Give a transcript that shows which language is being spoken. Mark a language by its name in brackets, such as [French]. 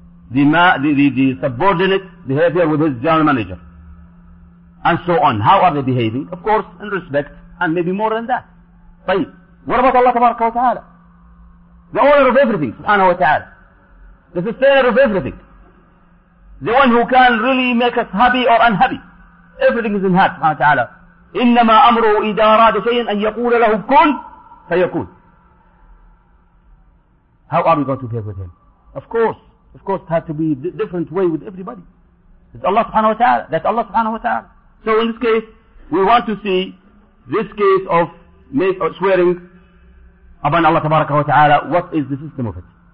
[English] The subordinate behavior with his general manager. And so on. How are they behaving? Of course, in respect, and maybe more than that. طيب, what about Allah Tabaraka wa Ta'ala? The owner of everything, subhanahu wa ta'ala. The sustainer of everything. The one who can really make us happy or unhappy. Everything is in hand, subhanahu wa ta'ala. [Arabic] إِنَّمَا أَمْرُهُ إِذَا أَرَادَ شَيْئًا أَنْ يَقُولَ لَهُ كُنْ فَيَكُونَ. [English] How are we going to behave with him? Of course, it has to be different way with everybody. It's Allah subhanahu wa ta'ala. That's Allah subhanahu wa ta'ala. So in this case, we want to see this case of swearing upon Allah tabaraka wa ta'ala, what is the system of it?